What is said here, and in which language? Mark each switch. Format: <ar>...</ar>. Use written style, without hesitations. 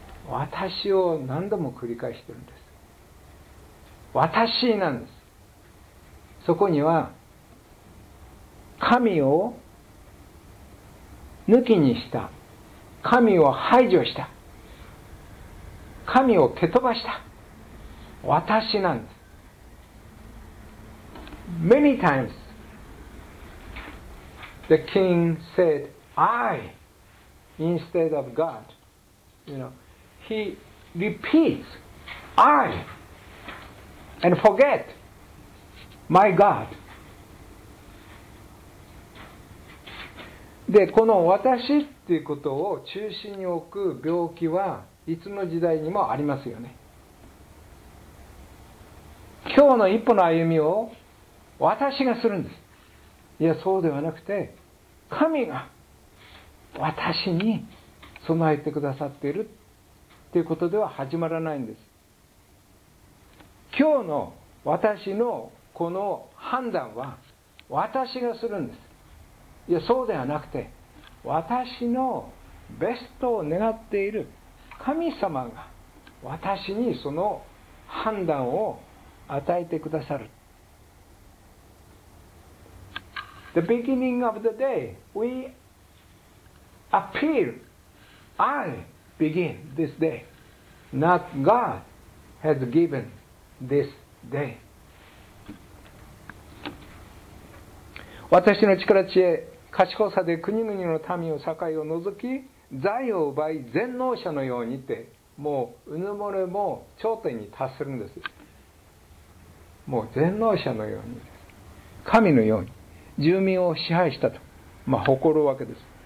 <ja>私を何度も繰り返しているんです。私なんです。そこには神を抜きにした、神を排除した、神を蹴飛ばした私なんです。</ja> <en>Many times the king said I instead of God. You know, he repeats I and forget my God.</en> <ja>で、この私っていうことを中心に置く病気はいつの時代にもありますよね。今日の一歩の歩みを私がするんです。いや、そうではなくて、神が私に備えてくださっているっていうことでは始まらないんです。今日の私のこの判断は私がするんです。いや、そうではなくて、私のベストを願っている神様が私にその判断を与えてくださる。</ja> <en>The beginning of the day, we appeal, I begin this day, not God has given this day.</en> <ja>私の力知恵、賢さで国々の民を境を除き、財を奪い全能者のようにって、もううぬぼれも頂点に達するんです。もう全能者のように、神のように住民を支配したと、まあ、誇るわけです。</ja>